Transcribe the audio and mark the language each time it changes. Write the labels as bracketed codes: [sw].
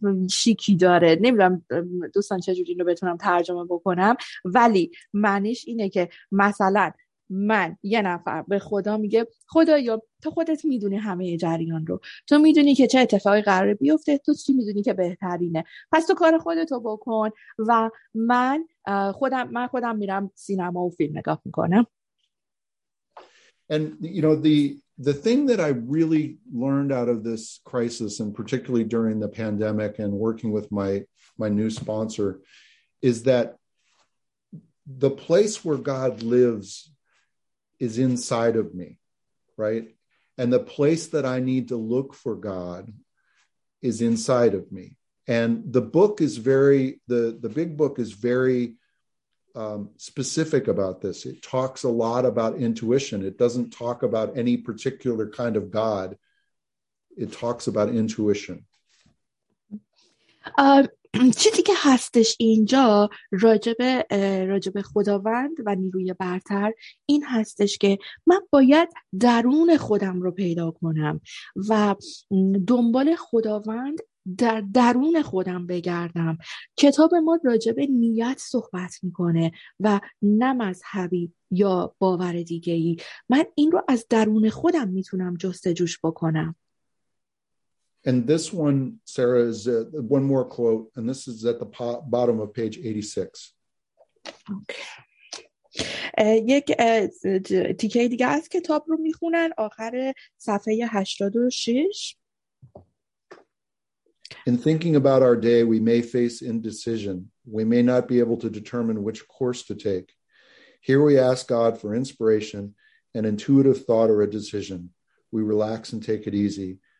[fa] شیکی داره، نمیدونم دوستان چجوری این رو بتونم ترجمه بکنم، ولی معنیش اینه که مثلا من یه نفر به خدا میگه خدایا تو خودت میدونی همه جریان رو، تو میدونی که چه اتفاقی قراره بیفته، تو چی میدونی که بهترینه، پس تو کار خودتو بکن و من خودم میرم سینما و فیلم نگاه میکنم. [en] And you know, the thing that I really learned out of this crisis, and particularly during the pandemic and working with my new sponsor, is that the place where God lives is inside of me, right? And the place that I need to look for God is inside of me. And the book is very, the big book is very specific about this. It talks a lot about intuition. It doesn't talk about any particular kind of God. It talks about intuition. [fa] چیزی که هستش اینجا راجب خداوند و نیروی برتر این هستش که من باید درون خودم رو پیدا کنم و دنبال خداوند در درون خودم بگردم. کتاب ما راجب نیت صحبت میکنه و نه مذهبی یا باور دیگه‌ای. من این رو از درون خودم میتونم جستجوش بکنم. [en] And this one, Sarah, is one more quote, and this is at the bottom of page 86. Okay. [fa] یک دیگه از کتاب رو میخونن آخر صفحه 86. [en] In thinking about our day, we may face indecision. We may not be able to determine which course to take. Here we ask God for inspiration, an intuitive thought or a decision. We relax and take it easy.